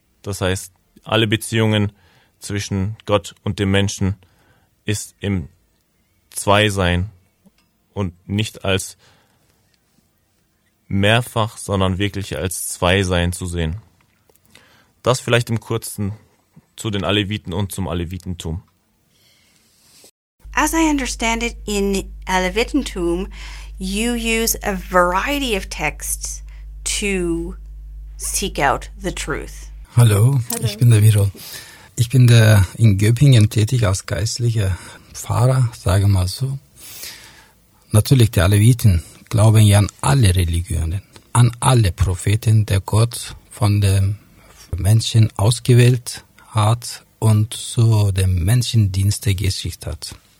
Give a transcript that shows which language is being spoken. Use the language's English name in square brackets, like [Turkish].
[German] Das heißt, alle Beziehungen zwischen Gott und dem Menschen ist im Zweisein und nicht als mehrfach, sondern wirklich als Zweisein zu sehen. Das vielleicht im Kurzen zu den Aleviten und zum Alevitentum. [English] As I understand it, in Alevitentum, you use a variety of texts to seek out the truth. [German] Hallo, ich bin der Virol. Ich bin der in Göppingen tätig als geistlicher Pfarrer, sage mal so. Natürlich, die Aleviten glauben ja an alle Religionen, an alle Propheten, der Gott von den Menschen ausgewählt hat und zu den Menschendiensten geschickt hat.